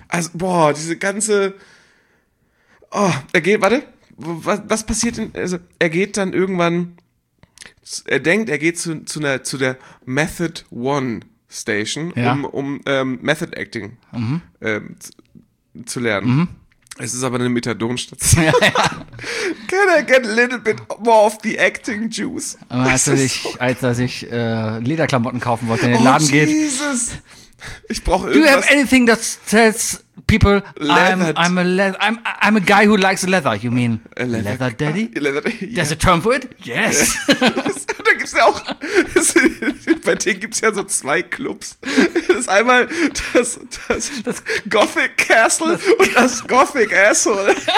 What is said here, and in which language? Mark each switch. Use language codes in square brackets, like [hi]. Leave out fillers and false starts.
[de] Also, boah, diese ganze, oh, er geht, warte, was passiert denn, also, er geht dann irgendwann, er denkt, er geht zu der Method One Station, ja. um Method Acting zu lernen. Mhm. Es ist aber eine Methadon-Station. Ja. [en] Can I get a little bit more of the acting juice? [de] Aber als er sich Lederklamotten kaufen wollte, in den Laden geht. Jesus! Ich brauche irgendwas. [en] Do you have anything that says people, I'm a guy who likes leather, you mean? Leather daddy? Yeah. There's a term for it? Yes! [de] Da gibt's ja auch, bei denen gibt's ja so zwei Clubs. Das ist einmal das Gothic Castle und das Gothic Asshole.